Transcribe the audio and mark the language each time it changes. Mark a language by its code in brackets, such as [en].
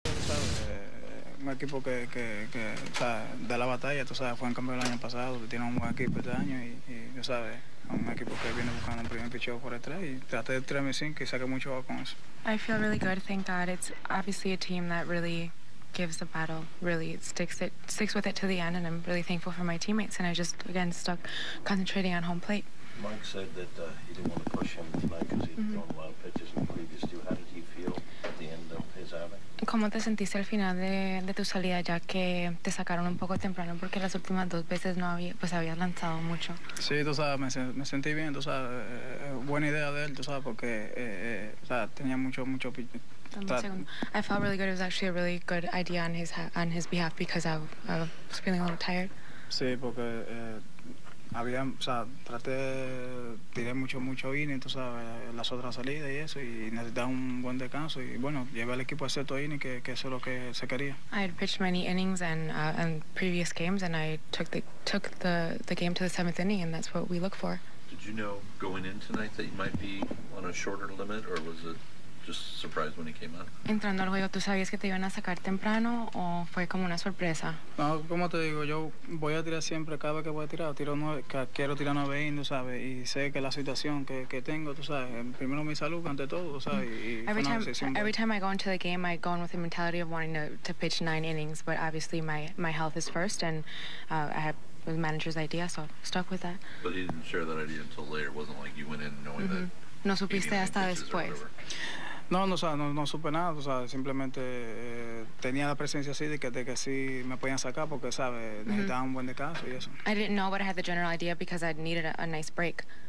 [es] un equipo que o sea, da la batalla, tú sabes, fue en cambio el año pasado, tiene un buen equipo este año y sabes, un equipo que viene buscando un primer picheo por detrás y trate de 3-5 y saque mucho con eso. [en] I feel really good, thank God. It's obviously a team that really gives the battle, really sticks with it to the end, and I'm really thankful for my teammates, and I just, again, stuck concentrating on home plate. Mike said that he didn't want to push him tonight because he'd thrown wild pitches in the previous two. How did he feel at the end of his outing? [es] ¿Cómo te sentiste al final de tu salida, ya que te sacaron un poco temprano porque las últimas dos veces no había, pues habías lanzado mucho? Sí, tú sabes, me sentí bien, tú sabes, buena idea de él, tú sabes, porque o sea, tenía mucho [en] I felt really good. It was actually a really good idea on his behalf because I was feeling a little tired. [es] Sí, porque había, o sea, traté, tiré mucho inning, tú sabes, las otras salidas y eso, y necesitaba un buen descanso, y bueno, llevé al equipo a cierto inning, que eso es lo que se quería. [en] I had pitched many innings and previous games, and I took the game to the seventh inning, and that's what we look for. Did you know going in tonight that you might be on a shorter limit, or was it just surprised when he came out? [es] Entrando al juego, ¿tú sabías que te iban a sacar temprano o fue como una sorpresa? No, como te digo, yo voy a tirar siempre, cada vez que voy a tirar, quiero tirar 9 innings, ¿sabes? Y sé que la situación que tengo, tú sabes, primero mi salud, ante todo, ¿sabes? [en] Every time I go into the game, I go in with the mentality of wanting to pitch 9 innings, but obviously my health is first, and I have the manager's idea, so stuck with that. But he didn't share that idea until later. It wasn't like you went in knowing that. [es] No supiste hasta después. No, supe nada, o sea, simplemente tenía la presencia así de que sí me podían sacar porque, sabe, necesitaba un buen descanso y eso. [en] I didn't know, but I had the general idea because I needed a nice break.